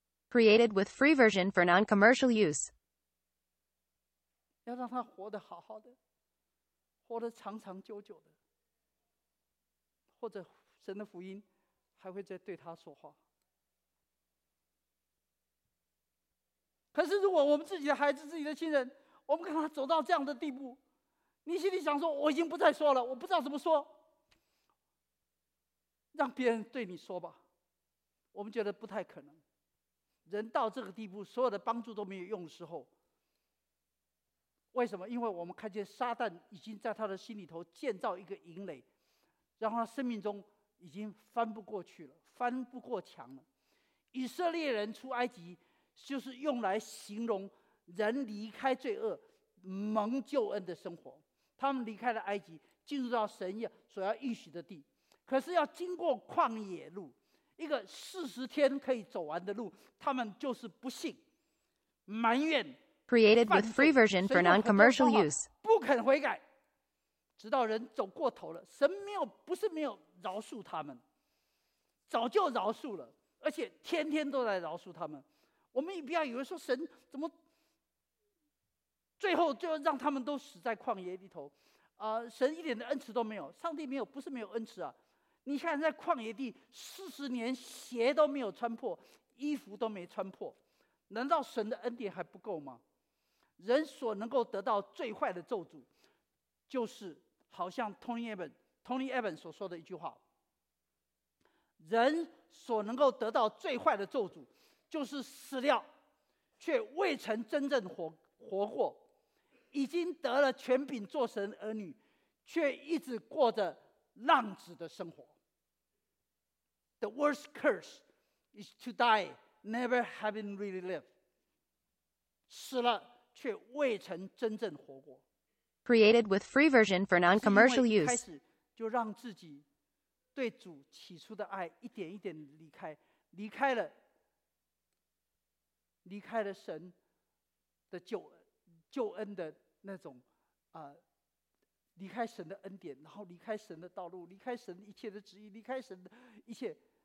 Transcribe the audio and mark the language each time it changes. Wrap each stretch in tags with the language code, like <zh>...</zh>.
<zh>Created with free version for non-commercial use. 要让他活得好好的，活得长长久久的，或者神的福音还会再对他说话。可是如果我们自己的孩子，自己的亲人，我们看他走到这样的地步，你心里想说，我已经不再说了，我不知道怎么说，让别人对你说吧，我们觉得不太可能。人到这个地步，所有的帮助都没有用的时候，为什么？因为我们看见撒旦已经在他的心里头建造一个营垒，然后他生命中已经翻不过去了，翻不过墙了。以色列人出埃及就是用来形容人离开罪恶蒙救恩的生活，他们离开了埃及，进入到神所要应许的地，可是要经过旷野路，一个40天可以走完的路，他们就是不信、埋怨。 Created with free version for non-commercial use. 不肯悔改，直到人走过头了，神没有，不是没有饶恕他们，早就饶恕了，而且天天都在饶恕他们。我们也不要以为说神怎么最后让他们都死在旷野里头。神一点的恩慈都没有，上帝没有，不是没有恩慈啊！你看在旷野地40年，鞋都没有穿破，衣服都没穿破，难道神的恩典还不够吗？人所能够得到最坏的咒诅，就是好像 Tony Evans 所说的一句话：人所能够得到最坏的咒诅，就是死掉，却未曾真正活过。已经得了权柄做神儿女，却一直过着浪子的生活。</zh> <en>The worst curse is to die never having really lived.</en> <zh>死了却未曾真正活过。 Created with free version for non-commercial use. 开始就让自己对主起初的爱一点一点离开，离开了神的救恩的那种离开神的恩典，然后离开神的道路，离开神一切的旨意，离开神的一切。</zh>